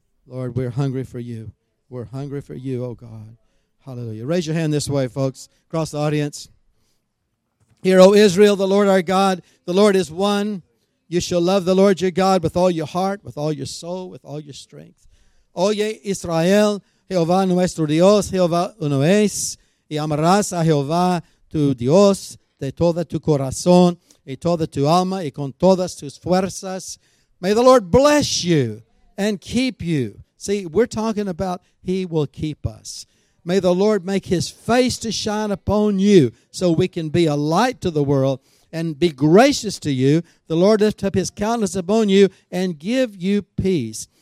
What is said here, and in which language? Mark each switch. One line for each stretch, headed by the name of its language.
English: Lord, we're hungry for you. We're hungry for you, oh God. Hallelujah. Raise your hand this way, folks, across the audience. Hear, O Israel, the Lord our God. The Lord is one. You shall love the Lord your God with all your heart, with all your soul, with all your strength.
Spanish: O ye Israel, Jehová nuestro Dios, Jehová uno es, y amarás a Jehová tu Dios de todo tu corazón y toda tu alma y con todas tus fuerzas.
English: May the Lord bless you and keep you. See, we're talking about he will keep us. May the Lord make his face to shine upon you so we can be a light to the world and be gracious to you. The Lord lift up his countenance upon you and give you peace.